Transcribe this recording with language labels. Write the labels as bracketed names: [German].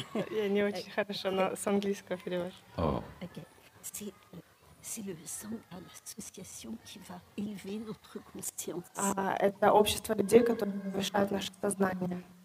[Russian] Я не очень хорошо, но с английского перевожу. Okay. [French] C'est le sangha, l'association qui va élever notre conscience. [Russian] Это общество людей, которые повышают наше сознание.